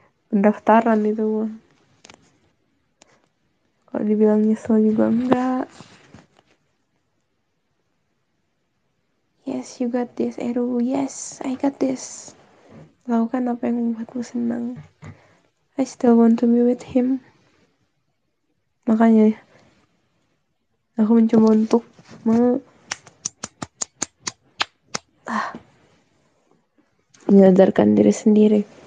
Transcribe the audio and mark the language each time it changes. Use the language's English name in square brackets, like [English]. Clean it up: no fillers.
[Indonesian] Pendaftaran itu mah. Kalau dibilang nyesel juga enggak. [English] Yes, you got this, Eru. Yes, I got this. [Indonesian] Lakukan apa yang membuatmu senang. [English] I still want to be with him. [Indonesian] Makanya aku mencoba untuk menyadarkan diri sendiri.